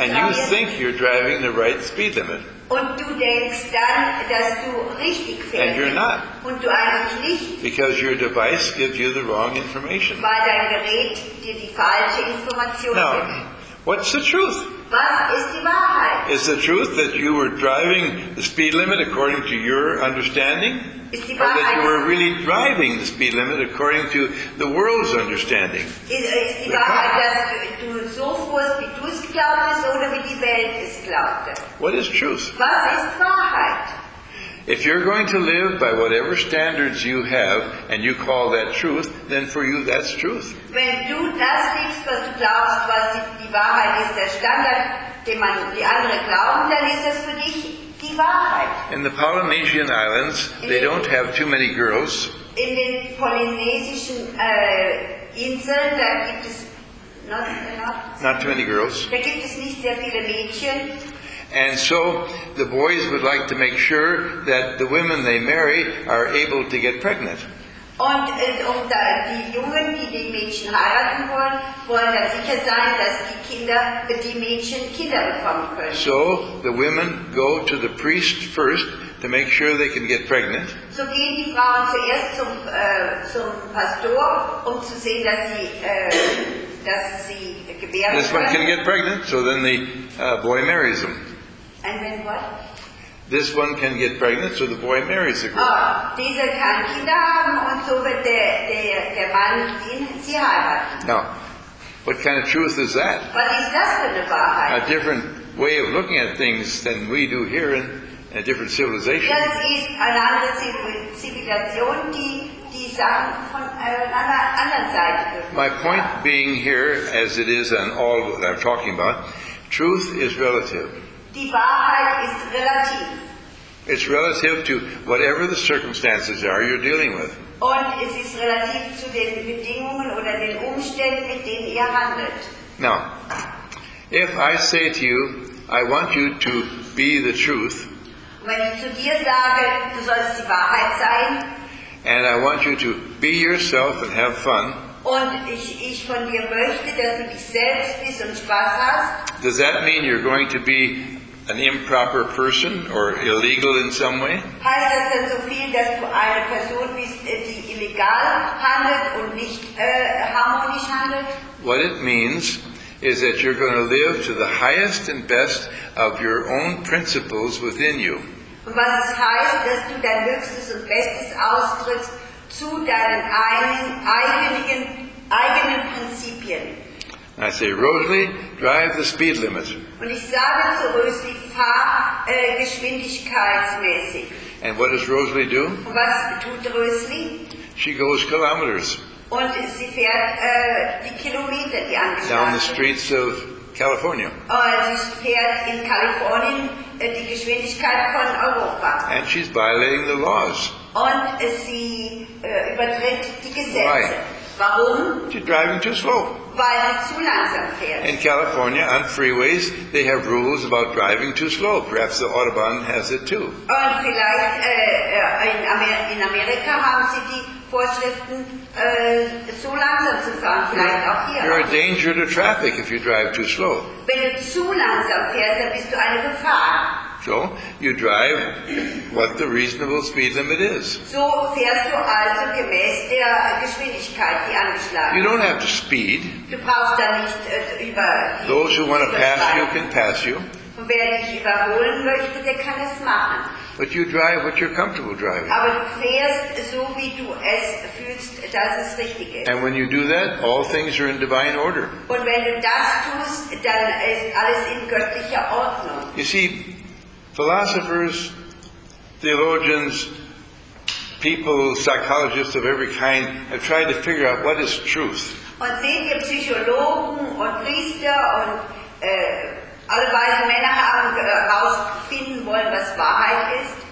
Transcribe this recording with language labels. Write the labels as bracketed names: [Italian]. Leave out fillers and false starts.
[English] And you think you're driving the right speed limit. [German] Und du denkst dann, dass du richtig fährst. [English] And you're not. [German] Und du eigentlich nicht. [English] Because your device gives you the wrong information. [German] Weil dein Gerät dir die falsche Information [English] now, [German] gibt. [English] What's the truth? [German] Was ist die Wahrheit? [English] Is the truth that you were driving the speed limit according to your understanding? [German] Ist die Wahrheit, [English] or that you were really driving the speed limit according to the world's understanding? [German] Ist die Wahrheit, dass du so fuhrst, wie du es glaubtest, oder wie die Welt es glaubte? [English] What is truth? [German] Was ist Wahrheit? [English] If you're going to live by whatever standards you have and you call that truth, then for you that's truth. [German] Wenn du das liebst, was du glaubst, was die Wahrheit ist, der Standard, den man die andere glauben, dann ist das für dich die Wahrheit. [English] In the Polynesian Islands, they don't have too many girls. [German] In den polynesischen Inseln, da gibt es [English] not too many girls. [German] Da gibt es nicht sehr viele Mädchen. [English] And so the boys would like to make sure that the women they marry are able to get pregnant. [German] Und die Jungen, die die Mädchen heiraten wollen, wollen ja sicher sein, dass die Mädchen Kinder bekommen können. [English] So the women go to the priest first to make sure they can get pregnant. [German] So gehen die Frauen zuerst zum Pastor, um zu sehen, dass sie gebären können. [English] This one can get pregnant, so then the boy marries them. And then what? This one can get pregnant, so the boy marries the girl. [German] Oh, dieser kann Kinder haben und so wird der Mann sie heiraten. [English] Now, what kind of truth is that? What is that for the Wahrheit? A different way of looking at things than we do here in a different civilization. [German] Das ist eine andere Zivilisation, die Sachen von einer anderen Seite. [English] My point being here, as it is on all that I'm talking about, truth is relative. [German] Die Wahrheit ist relativ. [English] It's relative to whatever the circumstances are you're dealing with. [German] Und es ist relativ zu den Bedingungen oder den Umständen, mit denen ihr handelt. [English] Now, if I say to you, I want you to be the truth. [German] Wenn ich zu dir sage, du sollst die Wahrheit sein. [English] And I want you to be yourself and have fun. [German] Und ich von dir möchte, dass du dich selbst bist und Spaß hast. [English] Does that mean you're going to be an improper person or illegal in some way? [German] Heißt das denn so viel, dass du eine Person bist, die illegal handelt und nicht harmonisch handelt? [English] What it means is that you're going to live to the highest and best of your own principles within you. [German] Und was es heißt, dass du dein Höchstes und Bestes ausdrückst zu deinen eigenen Prinzipien. [English] And I say, Rosalie, drive the speed limit. [German] Und ich sage zu Rosalie, fahr geschwindigkeitsmäßig. [English] And what does Rosalie do? [German] Und was tut Rosalie? [English] She goes kilometers. [German] Und sie fährt die Kilometer, die angeschlagen. [English] Down the streets of California. [German] Und sie fährt in Kalifornien die Geschwindigkeit von Europa. [English] And she's violating the laws. [German] Und sie übertritt die Gesetze. [English] Why? [German] Warum? [English] She's driving too slow. [German] Weil sie zu langsam fährt. [English] In California, on freeways, they have rules about driving too slow. Perhaps the Autobahn has it too. [German] Und vielleicht in Amerika haben sie die Vorschriften, so langsam zu fahren. Vielleicht auch hier. [English] You're a danger to traffic if you drive too slow. [German] Wenn du zu langsam fährst, dann bist du eine Gefahr. [English] So, you drive what the reasonable speed limit is. [German] So fährst du also gemäß der Geschwindigkeit, die angeschlagen ist. [English] You don't have to speed. [German] Du brauchst da nicht über. [English] Those who want to pass you can pass you. [German] Und wer dich überholen möchte, der kann es machen. [English] But you drive what you're comfortable driving. [German] Aber du fährst so, wie du es fühlst, dass es richtig ist. [English] And when you do that, all things are in divine order. [German] Und wenn du das tust, dann ist alles in göttlicher Ordnung. [English] You see, philosophers, theologians, people, psychologists of every kind have tried to figure out what is truth. [German] Und seht ihr, Psychologen und Priester und alle weisen Männer haben herausfinden wollen, was Wahrheit ist.